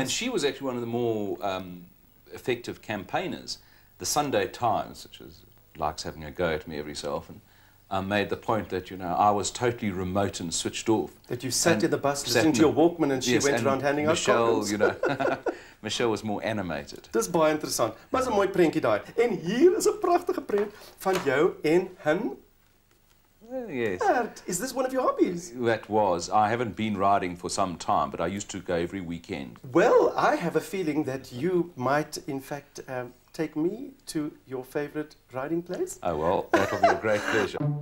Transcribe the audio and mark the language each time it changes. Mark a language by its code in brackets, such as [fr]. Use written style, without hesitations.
[en] And she was actually one of the more effective campaigners. The Sunday Times, which is, likes having a go at me every so often, made the point that, you know, I was totally remote and switched off. That you sat in the bus listening to your Walkman and she went around handing out Michelle, comments. You know, Michelle was more animated. [af] Dis baie interessant. Maar is 'n mooi prentjie daai. En hier is 'n pragtige prent van jou en hun. [en] Yes. Is this one of your hobbies? That was. I haven't been riding for some time, but I used to go every weekend. Well, I have a feeling that you might, in fact, take me to your favourite riding place. Oh, well, that will be a great pleasure.